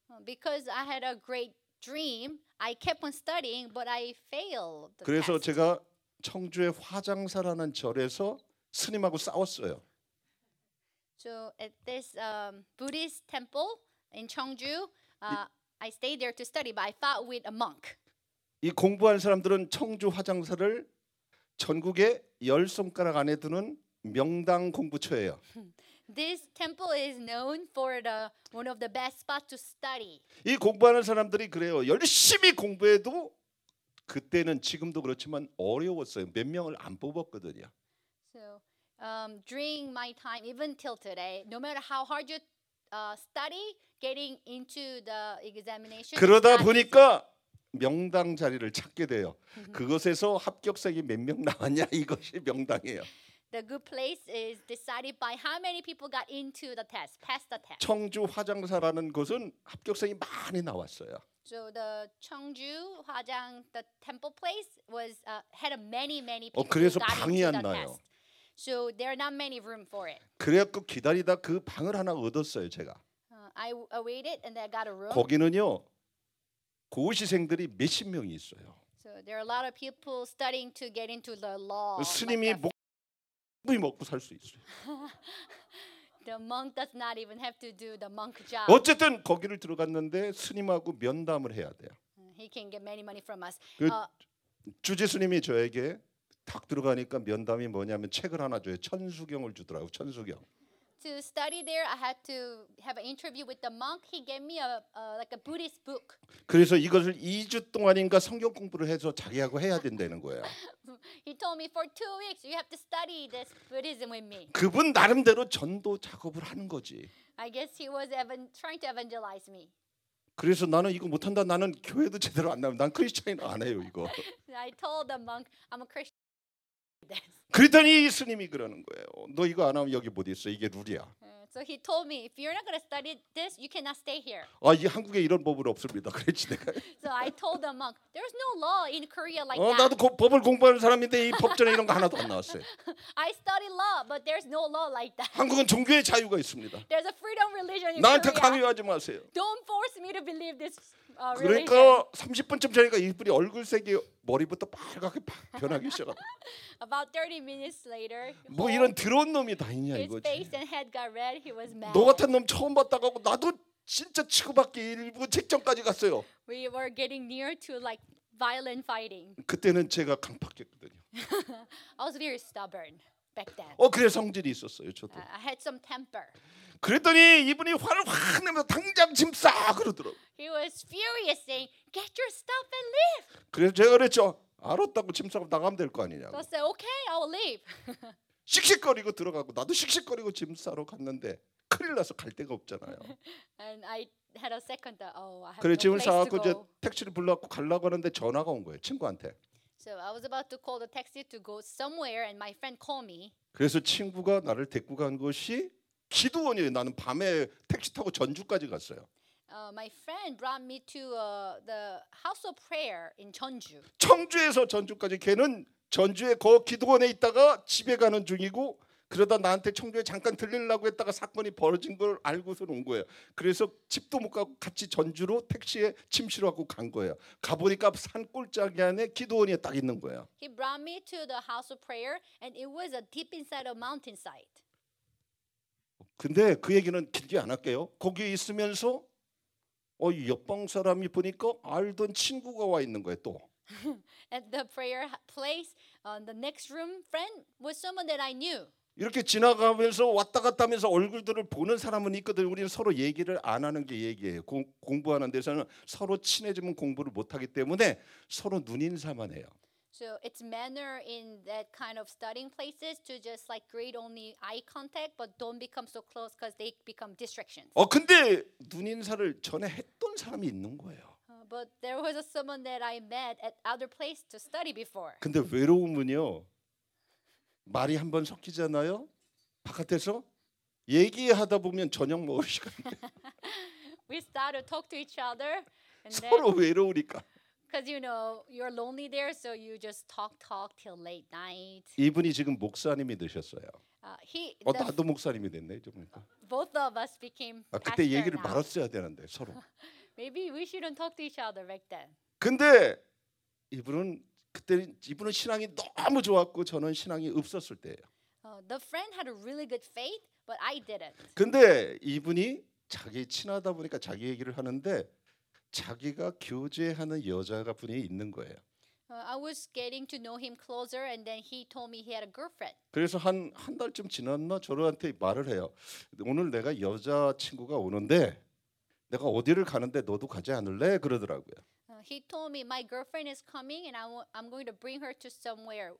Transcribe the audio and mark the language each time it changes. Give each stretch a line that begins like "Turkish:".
English: Because I had a great dream, I kept on studying, but I failed.
Korean: 그래서 제가 청주의 화장사라는 절에서 스님하고 싸웠어요.
English: So at this Buddhist temple in Cheongju, I stayed there to study, but I fought with a monk.
Korean: 이 공부한 사람들은 청주 화장사를 전국의 열 손가락 안에 두는 명당 공부처예요.
English: This temple is known for the one of the best spots to study.
Korean: 이 공부하는 사람들이 그래요. 열심히 공부해도 그때는 지금도 그렇지만 어려웠어요. 몇 명을 안 뽑았거든요.
English: So during my time, even till today, no matter how hard you study, getting into the examination.
Korean: 그러다 보니까 명당 자리를 찾게 돼요. 그곳에서 합격생이 몇 명 나왔냐 이것이 명당이에요.
English: The good place is decided by how many people got into the test, passed the test.
Korean: 청주 화장사라는 곳은 합격생이 많이 나왔어요.
English: So the Cheongju Hwajang, the temple place was had many people.
Korean: 그래서 방이 안 나요.
English: So there are not many room for it.
Korean: 그래갖고 기다리다 그 방을 하나 얻었어요 제가.
English: I waited and I got a room.
Korean: 거기는요 고시생들이 몇십 명이 있어요.
English: So there are a lot of people studying to get into the law.
Korean: 스님이 목숨이 먹고 살 수 있어요.
English: The monk does not even have to do the monk job.
Korean: 어쨌든 거기를 들어갔는데 스님하고 면담을 해야 돼요.
English: He can get many money from us.
Korean: 주지 스님이 저에게 탁 들어가니까 면담이 뭐냐면 책을 하나 줘요. 천수경을 주더라고요. 천수경.
English: To study there, I had to have an interview with the monk. He gave me like a Buddhist book.
Korean: 그래서 이것을 2주 동안인가 성경 공부를 해서 자기하고 해야 된다는 거예요.
English: He told me for 2 weeks you have to study this Buddhism with me.
Korean: 그분 나름대로 전도 작업을 하는 거지.
English: I guess he was trying to evangelize me.
Korean: 그래서 나는 이거 못 한다. 나는 교회도 제대로 안 나와. 난 크리스천이 안 해요 이거.
English: I told the monk I'm a Christian.
Korean: 그랬더니 스님이 그러는 거예요. 너 이거 안 하면 여기 못 있어. 이게 룰이야.
English: So he told me, if you're not going to study this, you cannot stay here.
Korean: 아, 이 한국에 이런 법은 없습니다. 그랬지 내가.
English: So I told the monk, there's no law in Korea like
Korean: 나도 법을 공부하는 사람인데 이 법전에 이런 거 하나도 안 나왔어요.
English: I studied law, but there's no law like that.
Korean: 한국은 종교의 자유가 있습니다.
English: There's a freedom religion in Korea.
Korean: 나한테 강요하지 마세요.
English: Don't force me to believe this.
Korean: 그러니까 30분쯤 전에 이분이 얼굴색이 머리부터 빨갛게 변하기 시작합니다.
English: About 30 minutes later,
Korean: 뭐 이런 드러운 놈이 다 있냐 이거지.
English: His face and head got red. He was mad.
Korean: 너 같은 놈 처음 봤다고 하고 나도 진짜 치고받기 일부 책정까지 갔어요.
English: We were getting near to like violent fighting.
Korean: 그때는 제가 강팍했거든요.
English: I was very stubborn back then.
Korean: 그래 성질이 있었어요 저도.
English: I had some temper.
Korean: 그랬더니 이분이 화를 확 내면서 당장 짐 싸 그러더라고.
English: He was furious saying, "Get your stuff and leave."
Korean: 그래서 제가 그랬죠. 알았다고 짐 싸고 나가면 될 거 아니냐고.
English: So I said, "Okay, I'll leave."
Korean: 씩씩거리고 들어가고 나도 씩씩거리고 짐 싸러 갔는데 큰일 나서 갈 데가 없잖아요.
English: And I had a second thought. Oh, I have
Korean: 그래
English: no
Korean: 짐을 싸갖고 이제 택시를 불러갖고 가려고 하는데 전화가 온 거예요 친구한테.
English: So I was about to call the taxi to go somewhere, and my friend called me.
Korean: 그래서 친구가 나를 데리고 간 것이 기도원이에요. 나는 밤에 택시 타고 전주까지 갔어요.
English: My friend brought me to the house of prayer in Jeonju.
Korean: 청주에서 전주까지 걔는 전주에 거 기도원에 있다가 집에 가는 중이고 그러다 나한테 청주에 잠깐 들리려고 했다가 사건이 벌어진 걸 알고서 온 거예요. 그래서 집도 못 가고 같이 전주로 택시에 침실을 하고 간 거예요. 가보니까 산골짜기 안에 기도원이 딱 있는 거예요.
English: He brought me to the house of prayer and it was a deep inside a mountainside.
Korean: 근데 그 얘기는 길게 안 할게요. 거기 있으면서 옆방 사람이 보니까 알던 친구가 와 있는 거예요. 또.
English: At the prayer place, the next room friend was someone that I knew.
Korean: 이렇게 지나가면서 왔다 갔다면서 얼굴들을 보는 사람은 있거든. 우리는 서로 얘기를 안 하는 게 얘기예요. 공부하는 데서는 서로 친해지면 공부를 못 하기 때문에 서로 눈 인사만 해요.
English: So it's manner in that kind of studying places to just like greet only eye contact, but don't become so close because they become distractions.
Korean: 근데 눈 인사를 전에 했던 사람이 있는 거예요.
English: But there was someone that I met at other place to study before.
Korean: 근데 외로움은요 말이 한번 섞이잖아요. 바깥에서 얘기하다 보면 저녁 먹을 시간.
English: We start to talk to each other. And
Korean: 서로
English: then,
Korean: 외로우니까.
English: Because you know you're lonely there, so you just talk till late night.
Korean: 이분이 지금 목사님이 되셨어요.
English: He
Korean: 나도 목사님이 됐네 저분이까.
English: Both of us became.
Korean: 그때 얘기를
English: now.
Korean: 말았어야 되는데 서로.
English: Maybe we shouldn't talk to each other back then.
Korean: 근데 이분은 그때 이분은 신앙이 너무 좋았고 저는 신앙이 없었을 때예요.
English: The friend had a really good faith, But I didn't.
Korean: 근데 이분이 자기 친하다 보니까 자기 얘기를 하는데 자기가 교제하는 여자가 분이 있는 거예요.
English: I was getting to know him closer and then he told me he had a girlfriend.
Korean: 그래서 한 달쯤 지났나 저한테 말을 해요. 오늘 내가 여자 친구가 오는데 내가 어디를 가는데 너도 가지 않을래? 그러더라고요.
English: He told me my girlfriend is coming and I'm going to bring her to somewhere.